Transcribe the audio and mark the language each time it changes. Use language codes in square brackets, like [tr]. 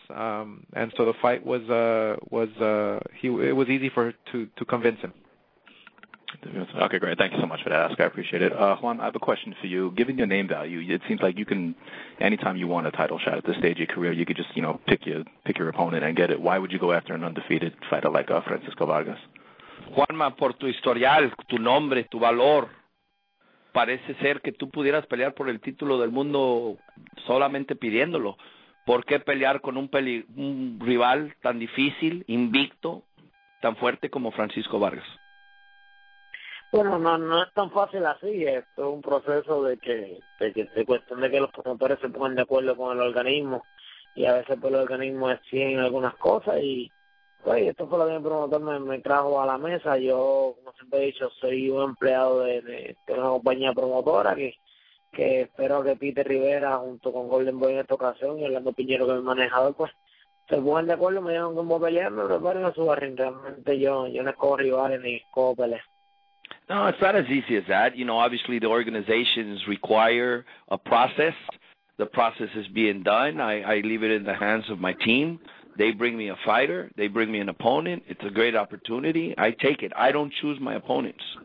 [en] And so the fight was easy for to convince him. Okay, great. Thank you so much for that, Oscar. I appreciate it. Juan, I have a question for you. Given your name value, it seems like you can, anytime you want a title shot at this stage of your career, you could just, you know, pick your opponent and get it. Why would you go after an undefeated fighter like Francisco Vargas? [es] Juanma, por tu historial, tu nombre, tu valor, parece ser que tú pudieras pelear por el título del mundo solamente pidiéndolo. ¿Por qué pelear con un rival tan difícil, invicto, tan fuerte como Francisco Vargas? Bueno, no es tan fácil así. Esto es un proceso de cuestión de que los promotores se pongan de acuerdo con el organismo, y a veces pues el organismo exige algunas cosas, y pues esto fue lo que el promotor me trajo a la mesa. Yo, como siempre he dicho, soy un empleado de una compañía promotora que espero que Peter Rivera, junto con Golden Boy en esta ocasión, y Orlando Piñero, que es mi manejador, pues se pongan de acuerdo, me llevan como pelear, me preparan a su barrio. Realmente yo no escojo rivales ni escojo peleas. [en] No, it's not as easy as that. You know, obviously the organizations require a process. The process is being done. I leave it in the hands of my team. They bring me a fighter. They bring me an opponent. It's a great opportunity. I take it. I don't choose my opponents.